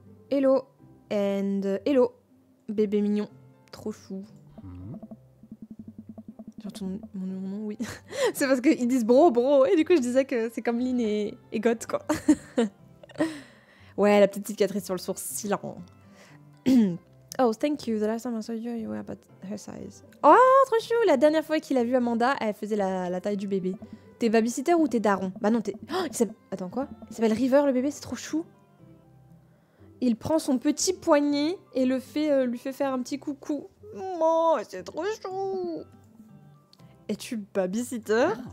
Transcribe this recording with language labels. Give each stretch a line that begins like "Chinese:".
English: Hello. And hello.
French: Bébé mignon. Trop chou. mon nom, oui. C'est parce qu'ils disent bro, et du coup je disais que c'est comme Lynn et Got, quoi. Ouais, la petite cicatrice sur le sourcil.
English: Oh, thank you, the last time I saw you, you were about her size.
French: Oh, trop chou, la dernière fois qu'il a vu Amanda, elle faisait la taille du bébé. T'es babysitter ou t'es daron? Bah non, t'es... Oh, attends, quoi? Il s'appelle River, le bébé, c'est trop chou. Il prend son petit poignet et lui fait faire un petit coucou. Oh, c'est trop chou. Es-tu babysitter?